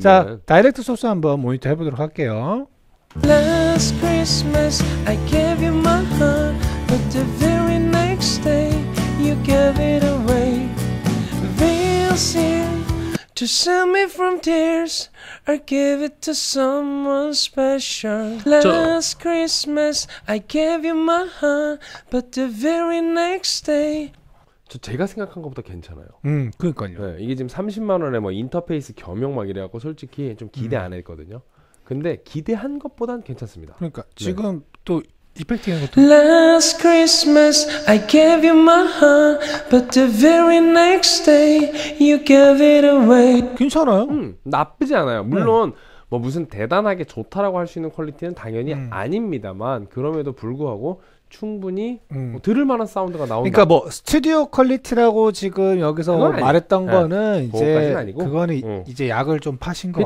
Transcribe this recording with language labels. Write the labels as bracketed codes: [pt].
[ko] 자, 다이렉트 소스 한번 모니터 해 보도록 할게요. [en] Last Christmas I gave you my heart but the very next day you gave it away. This year to save me from tears or give it to someone special. Last Christmas I gave you my heart but the very next day. [ko] 저 제가 생각한 것보다 괜찮아요. 그러니까요. 네, 이게 지금 30만원에 뭐 인터페이스 겸용 막 이래갖고 솔직히 좀 기대 안 했거든요. 근데 기대한 것보단 괜찮습니다. 그러니까 지금 네. 또 이펙팅한 것도 [en] Last Christmas I gave you my heart but the very next day you gave it away. [ko] 괜찮아요. 나쁘지 않아요. 물론 뭐 무슨 대단하게 좋다라고 할 수 있는 퀄리티는 당연히 아닙니다만 그럼에도 불구하고 충분히 뭐 들을 만한 사운드가 나온다. 그러니까 뭐 스튜디오 퀄리티라고 지금 여기서 말했던 거는 이제 그거는 이제 약을 좀 파신 것